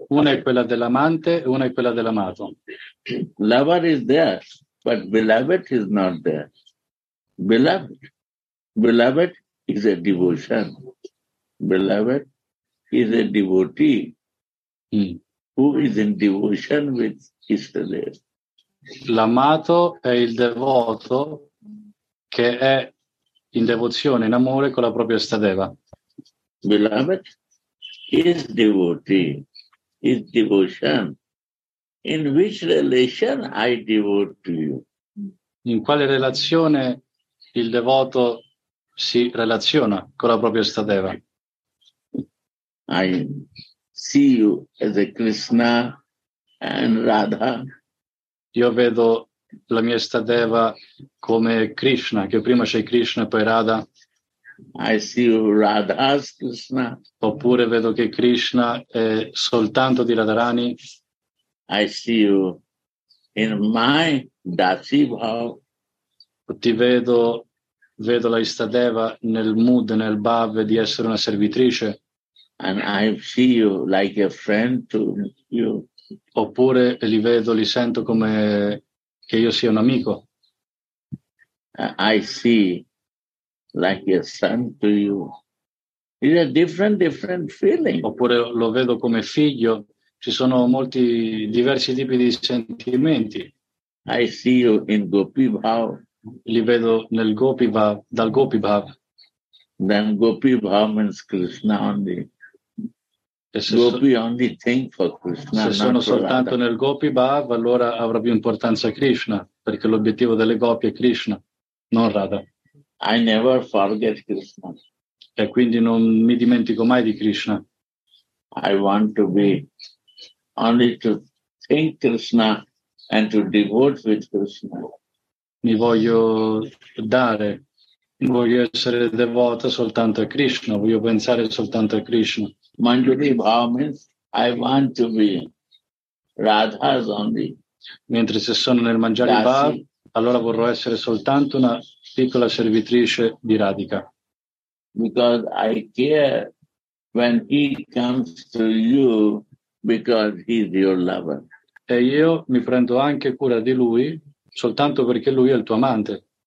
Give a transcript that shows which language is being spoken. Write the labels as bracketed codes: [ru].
[it] Una è quella dell'amante e una è quella dell'amato. [en] Lover is there, but beloved is not there. Beloved. Beloved is a devotion. Beloved is a devotee who is in devotion with Istadeva. [it] L'amato è il devoto che è in devozione, in amore con la propria Istadeva. [en] Beloved is devotee, is devotion. In which relation I devote to you? [it] In quale relazione il devoto si relaziona con la propria Istadeva? [en] I see you as a Krishna and Radha. [it] Io vedo la mia Istadeva come Krishna, che prima c'è Krishna e poi Radha. [en] I see you Radha's Krishna. [it] Oppure vedo che Krishna è soltanto di Radharani. [en] I see you in my Dasi Bhav. [it] Ti vedo, vedo la Istadeva nel mood, nel bhav di essere una servitrice. [en] And I see you like a friend to you. [it] Oppure li vedo, li sento come che io sia un amico. [en] I see like a son to you. It's a different feeling. [it] Oppure lo vedo come figlio. Ci sono molti diversi tipi di sentimenti. [en] I see you in Gopi Bhav. [it] Li vedo nel Gopi Bhav, dal Gopi Bhav. [en] Then Gopi Bhav means Krishna only. [it] Se sono soltanto nel Gopi Bhav, allora avrà più importanza Krishna, perché l'obiettivo delle Gopi è Krishna, non Radha. [en] I never forget Krishna. [it] E quindi non mi dimentico mai di Krishna. [en] I want to be only to think Krishna and to devote with Krishna. [it] Mi voglio dare, voglio essere devota soltanto a Krishna, voglio pensare soltanto a Krishna. [en] Manjuri Bhav means I want to be Radha's only. [it] Mentre se sono nel Manjari Bhav, allora vorrò essere soltanto una piccola servitrice di Radhika. [en] Because I care when he comes to you because he's your lover. [it] E io mi prendo anche cura di lui soltanto perché lui è il tuo amante.